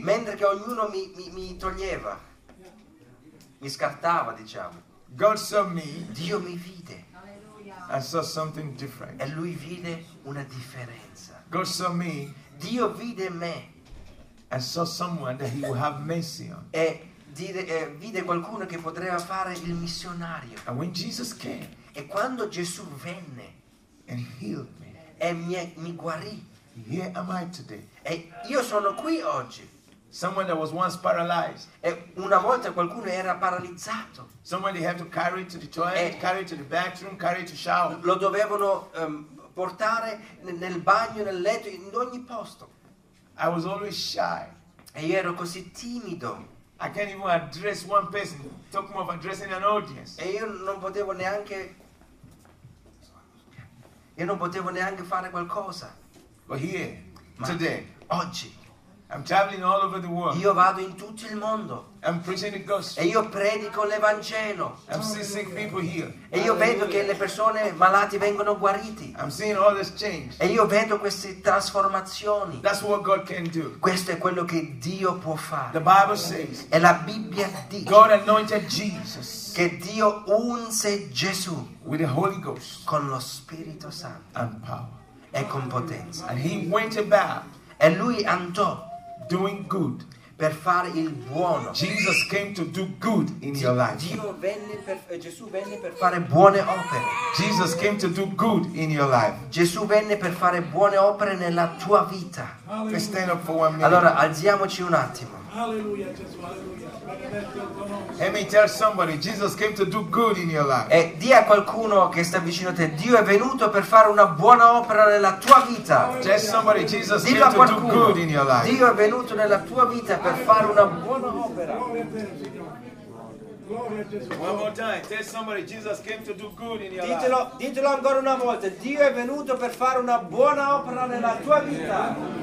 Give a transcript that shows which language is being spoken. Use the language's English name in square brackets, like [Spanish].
[Italian] Mentre che ognuno mi toglieva. Mi scartava, diciamo. [English] God saw me. [Italian] Dio mi vide. [English] I saw something different. [Italian] E lui vide una differenza. [English] God saw me. [Italian] Dio vide me. [English] I saw someone that he would have mercy on. [Italian] E vide qualcuno che potrebbe fare il missionario. [English] And when Jesus came. [Italian] E quando Gesù venne. [English] And healed me. [Italian] E mi guarì. [English] Here am I today. [Italian] E io sono qui oggi. [English] Someone that was once paralyzed. [Italian] E una volta qualcuno era paralizzato. [English] Someone they had to carry to the toilet, carry to the bathroom, carry to shower. [Italian] Lo dovevano portare nel bagno, nel letto, in ogni posto. [English] I was always shy. [Italian] E io ero così timido. [English] I can't even address one person. Talk more of addressing an audience. [Italian] E io non potevo neanche fare qualcosa. [English] But here, today, [Italian] oggi. [English] I'm traveling all over the world. [Italian] Io vado in tutto il mondo. [English] I'm preaching the gospel. [Italian] E io predico l'Evangelo. [English] I'm seeing sick people here. [Italian] E io vedo che le persone malate vengono guariti. [English] I'm seeing all this change. [Italian] E io vedo queste trasformazioni. [English] That's what God can do. [Italian] Questo è quello che Dio può fare. [English] The Bible says. [Italian] E la Bibbia dice. [English] God anointed Jesus. [Italian] Che Dio unse Gesù. [English] With the Holy Ghost. [Italian] Con lo Spirito Santo. [English] And power. [Italian] E con potenza. [English] And he went about. [Italian] E lui andò. [English] Doing good. [Italian] Per fare il buono. [English] Jesus came to do good in your life. [Italian] Dio venne per, Gesù venne per fare buone opere. [English] Jesus came to do good in your life. [Italian] Gesù venne per fare buone opere nella tua vita. [English] Let's stand up for 1 minute. [Italian] Allora alziamoci un attimo. [English] Hallelujah, Jesus, hallelujah. Let me tell somebody, Jesus came to do good in your life. [Italian] E dia a qualcuno che sta vicino a te, Dio è venuto per fare una buona opera nella tua vita. [English] Tell somebody, Jesus came to do good in your life. [Italian] Dio è venuto nella tua vita per fare una buona opera. [English] One more time, tell somebody, Jesus came to do good in your life. [Italian] Ditelo, ditelo ancora una volta, Dio è venuto per fare una buona opera nella tua vita.